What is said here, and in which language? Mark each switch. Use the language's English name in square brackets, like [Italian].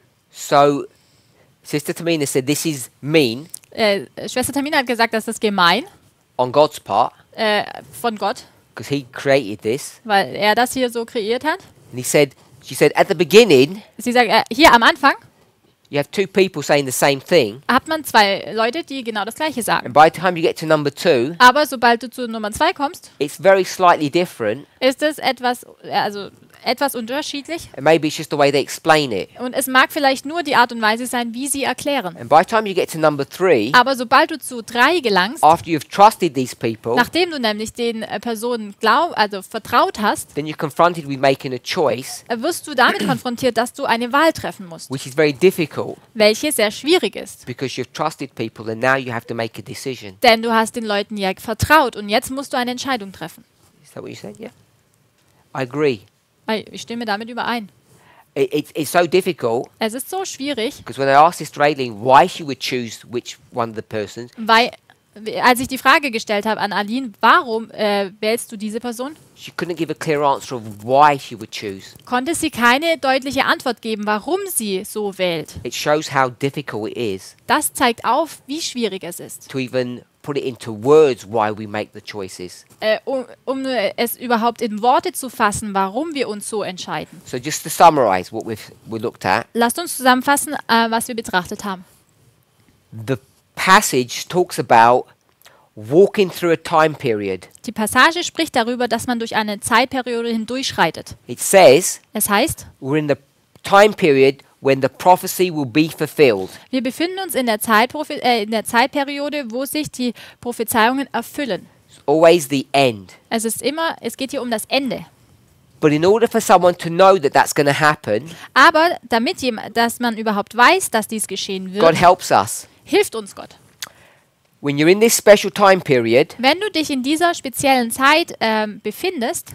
[English] So, Sister Tamina said this is mean. [German] Schwester Tamina hat gesagt, dass das gemein. [English] On God's part. [German] Von Gott. [English] Because he created this. [German] Weil das hier so kreiert hat. [English] And she said at the beginning. [German] Sie sagt hier am Anfang. [English] You have two people saying the same thing. [German] Hat man zwei Leute, die genau das gleiche sagen. [English] And by the time you get to number two. [German] Aber sobald du zu Nummer zwei kommst. [English] It's very slightly different. [German] Ist es etwas unterschiedlich. [English] And maybe it's just the way they explain it. [German] Und es mag vielleicht nur die Art und Weise sein, wie sie erklären. [English] And by the time you get to number three, [German] aber sobald du zu drei gelangst, [English] after you've trusted these people, [German] nachdem du nämlich den Personen vertraut hast, [English] then you're confronted with making a choice, [German] wirst du damit konfrontiert, dass du eine Wahl treffen musst, [English] which is very difficult, [German] welche sehr schwierig ist. [English] Because you've trusted people and now you have to make a decision. [German] Denn du hast den Leuten ja vertraut und jetzt musst du eine Entscheidung treffen. [English] Is that what you said? Yeah. I agree. [German] Ich stimme damit überein. [English] It's so difficult. [German] Es ist so schwierig. [English] Because when I asked Sister Aileen why she would choose which one of the persons. [German] Weil, als ich die Frage gestellt habe an Aileen, warum wählst du diese Person? [English] She couldn't give a clear answer of why she would choose. [German] Konnte sie keine deutliche Antwort geben, warum sie so wählt. [English] It shows how difficult it is. [German] Das zeigt auf, wie schwierig es ist. [English] To even put it into words why we make the choices. [German] Es überhaupt in Worte zu fassen, warum wir uns so entscheiden. [English] So just to summarize what we looked at. [German] Lasst uns zusammenfassen, was wir betrachtet haben. [English] The passage talks about walking through a time period. [German] Die Passage spricht darüber, dass man durch eine Zeitperiode hindurchschreitet. [English] It says, [German] es heißt, [English] we're in the time period when the prophecy will be fulfilled. [German] Wir befinden uns in der Zeit, in der Zeitperiode, wo sich die Prophezeiungen erfüllen. [English] It's always the end. [German] Es geht hier um das Ende. [English] But in order for someone to know that that's going to happen, [German] aber damit dass man überhaupt weiß, dass dies geschehen wird, [English] God helps us. [German] Hilft uns Gott. [English] When you're in this special time period, [German] wenn du dich in dieser speziellen Zeit befindest,